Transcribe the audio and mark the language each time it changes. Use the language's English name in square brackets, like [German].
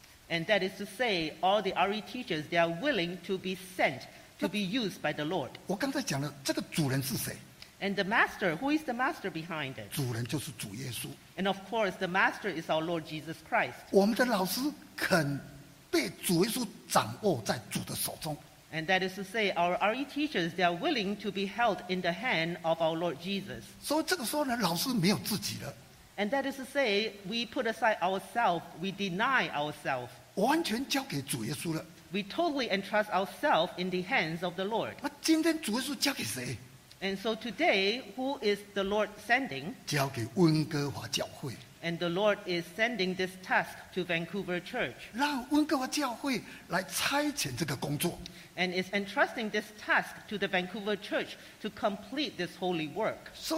[English] And that is to say, all the RE teachers, they are willing to be sent to be used by the Lord. [Chinese] 我刚才讲了,这个主人是谁? [English] And the master, who is the master behind it? [Chinese] 主人就是主耶稣。 [English] And of course, the master is our Lord Jesus Christ. [Chinese] 我们的老师肯被主耶稣掌握在主的手中。 [English] And that is to say, our RE teachers, they are willing to be held in the hand of our Lord Jesus. [Chinese] 所以这个时候呢，老师没有自己了。 [English] And that is to say, we put aside ourselves, we deny ourselves. [Chinese] 完全交给主耶稣了。 [English] We totally entrust ourselves in the hands of the Lord. [Chinese] 那今天主耶稣交给谁？ [English] And so today, who is the Lord sending? [Chinese] 交给温哥华教会。 [English] And the Lord is sending this task to Vancouver Church. [Chinese] 让温哥华教会来差遣这个工作。 [English] And is entrusting this task to the Vancouver Church to complete this holy work.